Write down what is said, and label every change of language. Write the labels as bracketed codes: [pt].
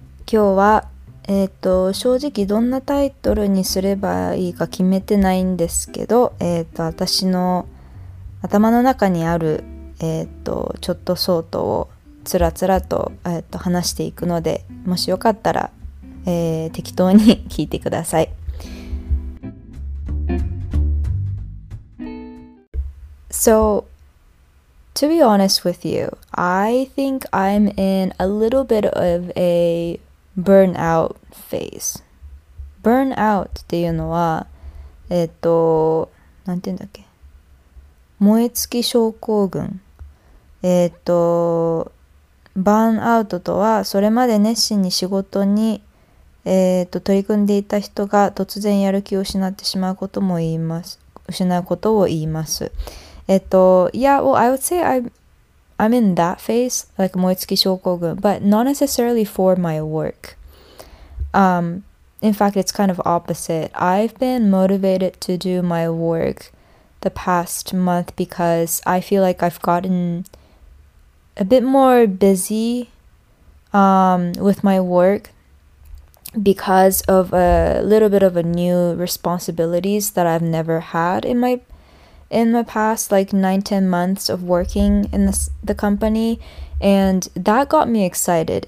[ja] 今日は、正直どんなタイトルにすればいいか決めてないんですけど、私の頭の中にある、ちょっと相当をつらつらと、話していくので、もしよかったら、適当に聞いてください。 [en] So,to be honest with you, I think I'm in a little bit of a burnout phase. [ja] Burnout っていうのは、なんて言うんだっけ、燃え尽き症候群。バーンアウトとは、それまで熱心に仕事に、取り組んでいた人が突然やる気を失ってしまうことも言います。失うことを言います。 [en] Yeah, well, I would say I'm in that phase, like 燃え尽き症候群, but not necessarily for my work. In fact, it's kind of opposite. I've been motivated to do my work the past month because I feel like I've gotten a bit more busy with my work because of a little bit of a new responsibilities that I've never had in the past, like 9-10 months of working in the company, and that got me excited.